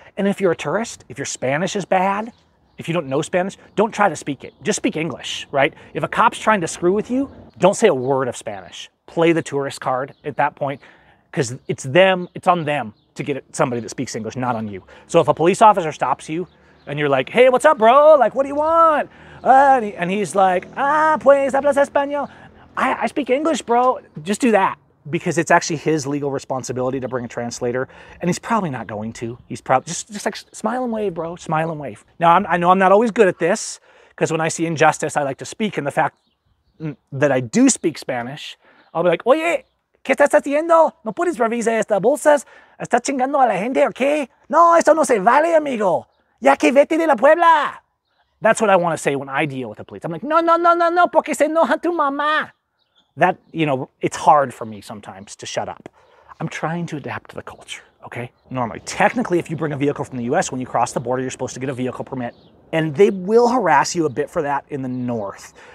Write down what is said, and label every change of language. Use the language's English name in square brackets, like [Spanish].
[English] And if you're a tourist, if your Spanish is bad, if you don't know Spanish, don't try to speak it. Just speak English, right? If a cop's trying to screw with you, don't say a word of Spanish. Play the tourist card at that point, because it's on them to get somebody that speaks English, not on you. So if a police officer stops you and you're like, hey, what's up, bro? Like, what do you want? And he's like, [Spanish] ah, pues, hablas español. [English] I speak English, bro. Just do that, because it's actually his legal responsibility to bring a translator. And he's probably not going to. He's probably just like, smile and wave, bro, smile and wave. Now, I know I'm not always good at this, because when I see injustice, I like to speak. And the fact that I do speak Spanish, I'll be like, [Spanish] oye, ¿qué estás haciendo? ¿No puedes revisar estas bolsas? ¿Estás chingando a la gente o qué? No, esto no se vale, amigo. Ya que vete de la Puebla. [English] That's what I want to say when I deal with the police. I'm like, [Spanish] no, porque se enoja tu mamá. [English] that, you know, it's hard for me sometimes to shut up. I'm trying to adapt to the culture, okay? Normally, technically, if you bring a vehicle from the US, when you cross the border, you're supposed to get a vehicle permit, and they will harass you a bit for that in the north.